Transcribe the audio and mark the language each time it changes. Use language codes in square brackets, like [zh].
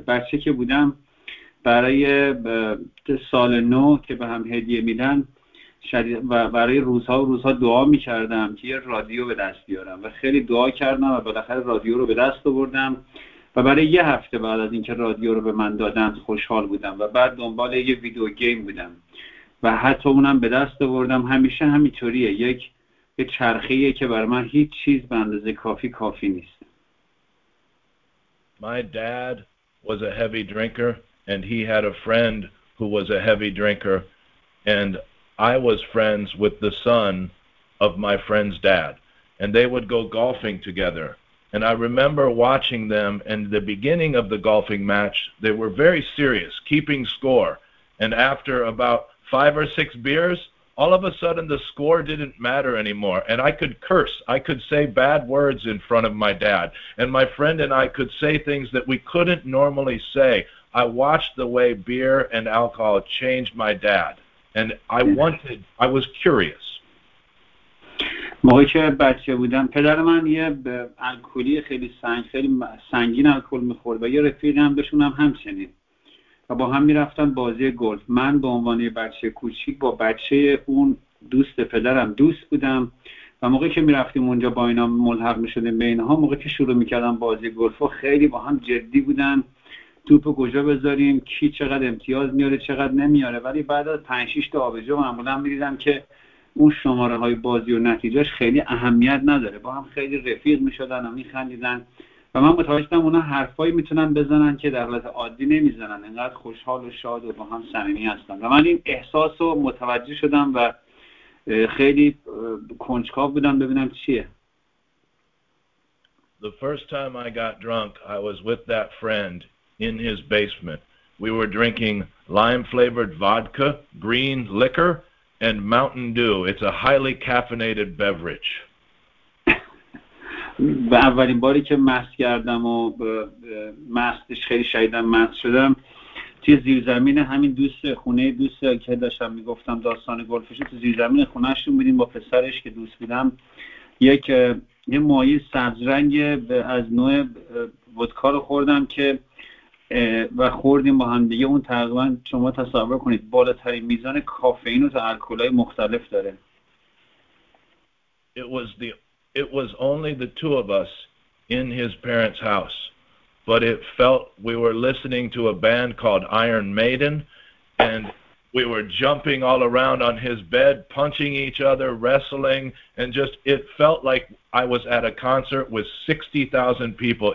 [fa] بچه که بودم برای سال نو که به هم هدیه میدن و برای روزها دعا میکردم که یه رادیو به دست بیارم و خیلی دعا کردم و بالاخره رادیو رو به دست آوردم و برای یه هفته بعد از اینکه رادیو رو به من دادن خوشحال بودم و بعد دنبال یه ویدیو گیم بودم و حتی اونم به دست آوردم. همیشه همینطوریه، یک چرخه‌ایه که برای من هیچ چیز به اندازه کافی کافی نیست. [en] My dad was a heavy drinker and he had a friend who was a heavy drinker and I was friends with the son of my friend's dad and they would go golfing together. And I remember watching them in the beginning of the golfing match. They were very serious, keeping score. And after about 5 or 6 beers, all of a sudden the score didn't matter anymore. And I could curse. I could say bad words in front of my dad. And my friend and I could say things that we couldn't normally say. I watched the way beer and alcohol changed my dad. And I was curious. [fa] موقعی که بچه بودم پدر من یه الکلی خیلی سنگین الکل میخورد و یه رفیق هم بهشونم همچنین و با هم میرفتن بازی گلف. من به عنوان بچه کوچیک با بچه اون دوست پدرم دوست بودم و موقعی که میرفتیم اونجا با اینا ملحق میشدیم به اینها، موقعی که شروع میکردم بازی گلف و خیلی با هم جدی بودن توپو کجا بذاریم، کی چقدر امتیاز میاره چقدر نمیاره، ولی بعد از 5-6 تا آبجو معمولا میدیدم که اون شماره های بازی و نتیجهش خیلی اهمیت نداره، با هم خیلی رفیق میشدن و میخندیدن و من متوجه شدم اونا حرفایی میتونن بزنن که در حالت عادی نمیزنن، انقدر خوشحال و شاد و با هم صمیمی هستن و من این احساس رو متوجه شدم و خیلی کنجکاو بودم ببینم چیه. [en] The first time I got drunk I was with that friend in his basement. We were drinking lime flavored vodka, green liquor and Mountain Dew. It's a highly caffeinated beverage. [fa] اولین باری که مست کردم و مستش خیلی شدیدم مست شدم توی زیرزمین همین دوست خونه دوست که داشتم میگفتم داستان گلفش، توی زیرزمین خونهشون بودیم با پسرش که دوست بودم، یه مایع سبز رنگ از نوع ودکا رو خوردم که و خوردیم با هم دیگه. اون تقریبا شما تصور کنید بالاترین میزان کافئین و تا الکل‌های مختلف داره. [en] It was only the two of us in his parents' house, but it felt we were listening to a band called Iron Maiden and we were jumping all around on his bed, punching each other, wrestling, and just it felt like I was at a concert with 60,000 people.